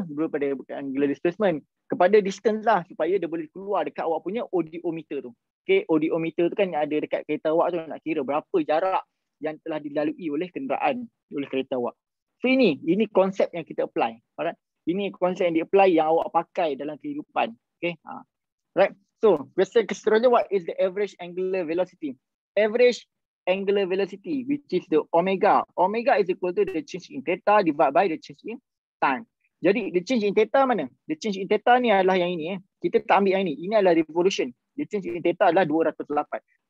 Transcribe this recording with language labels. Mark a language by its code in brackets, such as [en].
[ms] Daripada angular displacement kepada distance lah, supaya dia boleh keluar dekat awak punya odiometer tu. Okey, odiometer tu kan ada dekat kereta awak tu, nak kira berapa jarak yang telah dilalui oleh kenderaan, oleh kereta awak. So ini konsep yang kita apply. Alright, ini konsep yang di apply, yang awak pakai dalam kehidupan. [en] Okay, alright. So question [ms] seterusnya, [en] what is the average angular velocity? Average angular velocity, which is the omega. Omega is equal to the change in theta divided by the change in time. [ms] Jadi [en] the change in theta [ms] mana? [en] The change in theta [ms] ni adalah yang ini. Kita tak ambil yang ini. Ini adalah revolution. [en] The change in theta [ms] adalah [en] 208.